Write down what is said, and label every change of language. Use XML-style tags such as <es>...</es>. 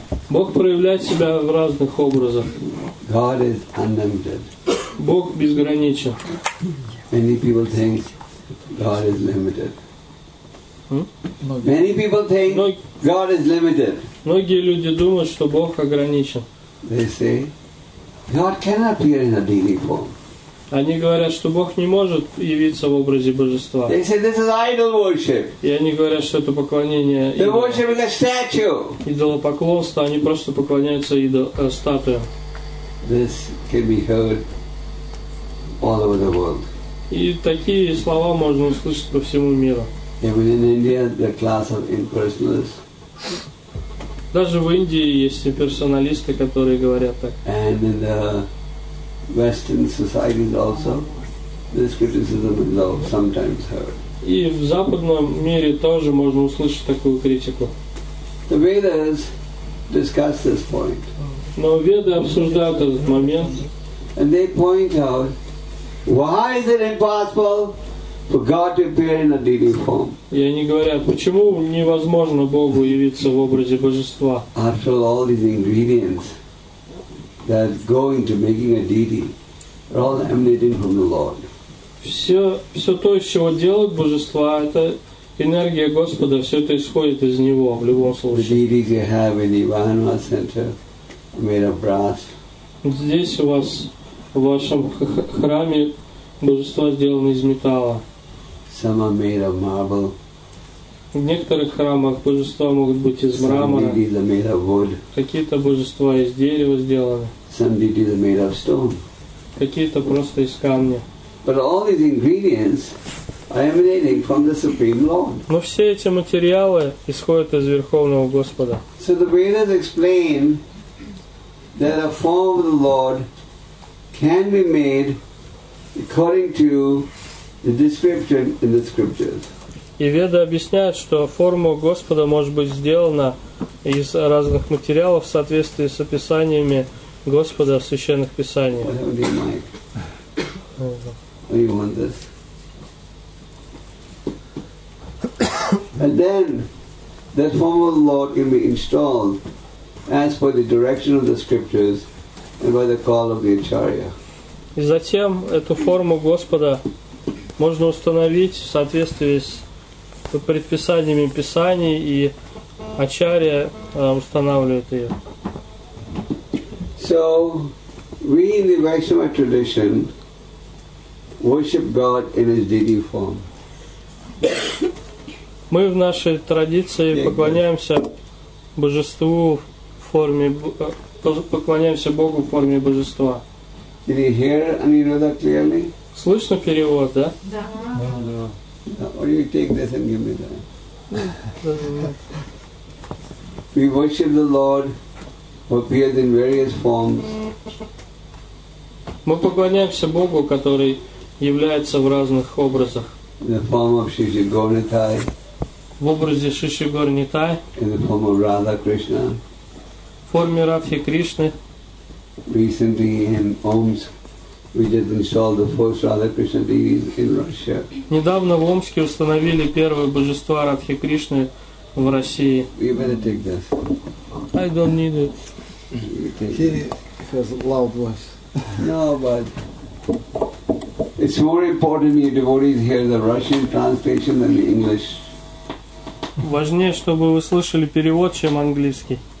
<ru>Бог проявляет себя в разных образах.</ru> <en>God is unlimited.</en> <ru>Бог безграничен.</ru> <en>Many people think God is limited. Many people think God is limited.</en> <ru>Многие люди думают, что Бог ограничен.</ru> <en>They say God cannot appear in a deity form.</en> <ru>Они говорят, что Бог не может явиться в образе божества.</ru> <en>They say this is idol worship.</en> <ru>И они говорят, что это поклонение идолу.</ru> <en>They worship a statue.</en> <ru>Идолопоклонство, они просто поклоняются статуям.</ru> <en>This can be heard all over the world.</en> <ru>И такие слова можно услышать по всему миру.</ru> <en>Even in India, the class of impersonalists.</en> <ru>Даже в Индии есть имперсоналисты, которые говорят так.</ru> <en>And in the Western societies also, this criticism is sometimes heard.</en> <ru>И в западном мире тоже можно услышать такую критику.</ru> <en>The Vedas discuss this point.</en> <ru>Но Веды обсуждают этот момент.</ru> <en>And they point out, why is it impossible for God to appear in a deity form?</en> <ru>И они говорят, почему невозможно Богу явиться в образе божества?</ru> <en>After all these ingredients that go into making a deity are all emanating from the Lord.</en> <ru>Все то, из чего делают божества, это энергия Господа, все это исходит из Него в любом случае.</ru> <en>The deities you have in the Ivanova Center are made of brass.</en> <ru>Здесь у вас, в вашем храме, божества сделаны из металла.</ru> <en>Some are made of marble.</en> <ru>В некоторых храмах божества могут быть из мрамора. Какие-то божества из дерева сделаны.</ru> <en>Some deities are made of stone.</en> <ru>Какие-то просто из камня.</ru> <en>But all these ingredients are emanating from the Supreme Lord.</en> <ru>Но все эти материалы исходят из Верховного Господа.</ru> <en>So the Vedas explain that a form of the Lord can be made according to the description in the scriptures.</en> <ru>И Веды объясняют, что форма Господа может быть сделана из разных материалов в соответствии с описаниями Господа в Священных Писаниях.</ru> <en>What do you want this? And then, that form of the Lord can be installed as per the direction of the scriptures and by the call of the Acharya.</en> <ru>И затем эту форму Господа можно установить в соответствии с предписаниями Писаний, и Ачарья устанавливает ее.</ru> <en>So, we in the Vaishnava tradition worship God in His deity form.</en> <ru>Мы в нашей традиции поклоняемся Божеству в форме, поклоняемся Богу в форме Божества.</ru> <en>Did you hear Aniruddha clearly?</en> <ru>Слышно перевод, да? Да.</ru> <en>Or you take this and give me that. We worship the Lord who appears in various forms.</en> <ru>Мы поклоняемся Богу, который является в разных образах.</ru> <en>In the form of Shri Shri Gaur-Nitai.</en> <ru>В образе Шри Шри Гаур-Нитай.</ru> <en>In the form of Radha Krishna.</en> <ru>В форме Радхи Кришны.</ru> <en>Recently in Omsk. We just installed the first Radha Krishna deities in Russia.</en> <ru>Недавно в Омске установили первое божество Радхи Кришны в России.</ru> <en>You better take this. I don't need it. It has a loud voice. No, but it's more important your devotees hear the Russian translation than the English.</en> <ru>Важнее, чтобы вы слышали перевод, чем английский.</ru>